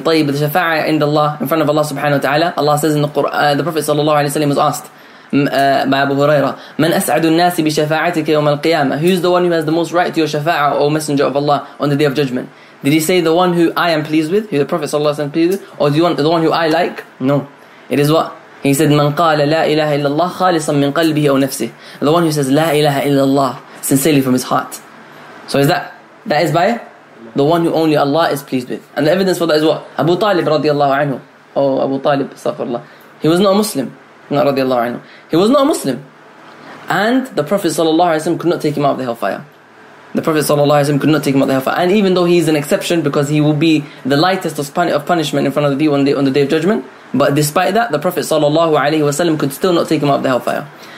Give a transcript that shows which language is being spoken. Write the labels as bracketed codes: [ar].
[en] طيب, the shafa'ah in Allah, in front of Allah subhanahu wa ta'ala, Allah says in the Quran, the Prophet sallallahu alayhi wa sallam was asked by Abu Huraira, [ar] من أسعد الناس بشفاعتك يوم القيامة? [en] Who's the one who has the most right to your shafa'ah, O Messenger of Allah, on the Day of Judgment? Did he say the one who I am pleased with, who the Prophet sallallahu alayhi wa sallam pleased with, or do you want the one who I like? No. It is what? [ar] He said, من قال لا إله إلا الله خالصا من قلبه أو نفسه. [en] The one who says [ar] لا إله إلا الله [en] sincerely from his heart. So is that is by the one who only Allah is pleased with. And the evidence for that is what? Abu Talib radiallahu anhu. Oh, Abu Talib, astaghfirullah. He was not a Muslim. Not radiallahu anhu. He was not a Muslim. And the Prophet sallallahu alayhi wa sallam could not take him out of the hellfire. The Prophet sallallahu alayhi wa sallam could not take him out of the hellfire. And even though he is an exception because he will be the lightest of punishment in front of the people on the Day of Judgment, but despite that, the Prophet sallallahu alayhi wa sallam could still not take him out of the hellfire.